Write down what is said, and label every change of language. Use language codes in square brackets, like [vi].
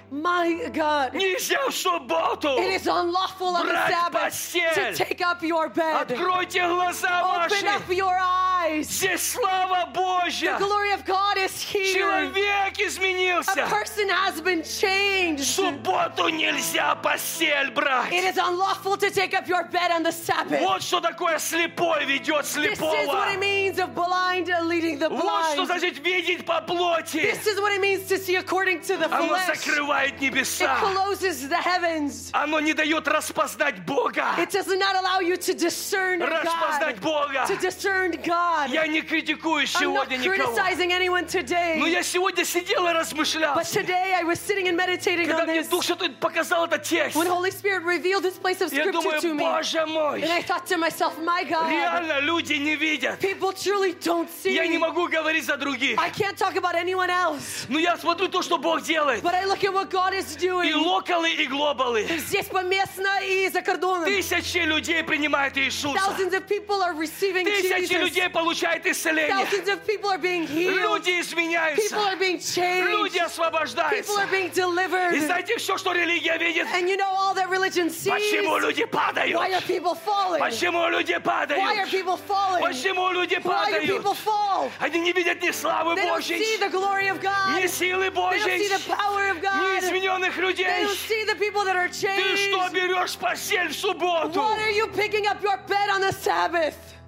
[en] My God. [ru] Нельзя в субботу. [en] It is unlawful on the Sabbath [ru] постель. [en] To take up your bed. [ru] Откройте глаза [en] Open [ru] ваши. [en] Up your eyes. [ru] Здесь слава Божья. [en] The glory of God is here. [ru] Человек изменился. [en] A person has been changed. [ru] Субботу нельзя постель брать. [en] It is unlawful to take up your bed on the Sabbath. [ru] Вот что такое слепой ведет слепого. [en] This is what it means of blind leading the blind. [ru] Вот что значит видеть по плоти. [en] This is what it means to see according to the flesh. [ru] Оно закрывает небеса. [en] It closes the heavens. [ru] Оно не дает распознать Бога. [en] It does not allow you to discern God. [ru] Распознать Бога. [en] To discern God. [ru] Я не критикую сегодня никого. Но я сегодня сидел и размышлял. [en] But today I was sitting and meditating [ru] Когда [en] on this. [ru] Когда мне Дух Святой показал этот текст. [en] When Holy Spirit revealed this place of scripture [ru] думаю, [en] to me. [ru] Я думаю, Боже мой. [en] And I thought to myself, my God. [ru] Реально люди не видят. [en] People truly don't see. [ru] Я не могу говорить за других. [en] I can't talk about anyone else. [ru] Но я смотрю то, что Бог делает. [en] But I look at what God is doing. [ru] И локалы, и глобалы. Здесь поместно и за кордоном. Тысячи людей принимают Иисуса. [en] Thousands of people are receiving [ru] Тысячи [en] Jesus. [ru] Тысячи людей получает исцеление. [en] Thousands of people are being healed. [ru] Люди изменяются. [en] People are being changed. [ru] Люди освобождаются. [en] People are being delivered. [ru] И знаете все, что религия видит? [en] And you know all that religion sees. [ru] Почему люди падают? [en] Why are people falling? [ru] Почему люди падают? [en] Why are people falling? [ru] Почему люди падают? [en] Why do people fall? [ru] Они не видят ни славы Божьей. [en] They don't see the glory of God. [ru] Ни силы Божьей. [en] They don't see the power of God. [ru] Ни измененных людей. [en] They don't see the people that are changed. [ru] Ты что берешь постель в субботу? [en] What are you picking up your bed on the Sabbath?